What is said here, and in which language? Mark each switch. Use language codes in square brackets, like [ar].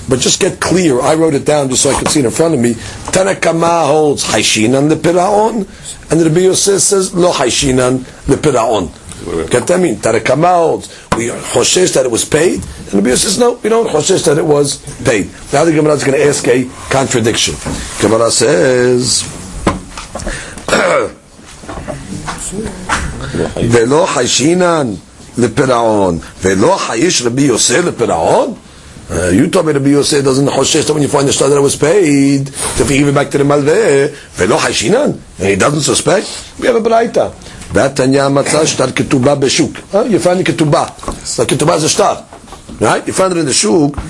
[en] But just get clear, I wrote it down just so I could see it in front of me. Tanakama holds haishina and the piraon, and the Rabbi Yosef says, lo haishina and the piraon. Get that mean? Tanakama holds, we choshesh that it was paid, and the Rabbi Yosef says, no, we don't choshesh that it was paid. Now the Gemara is going to ask a contradiction. Gemara says, [he] ולא חיישינן לפיראון ולא חייש רבי יוסי לפיראון. [en] You told me Rabbi Yosef doesn't choshesh that when you find the star that it was paid, if you give it back to the Malveh, [he] ולא חיישינן, [en] and he doesn't suspect. We have a braita. [he] והתניה מצא שטר כתובה בשוק. [en] You find the כתובה. The כתובה is a star. Right? You find it in the shuk.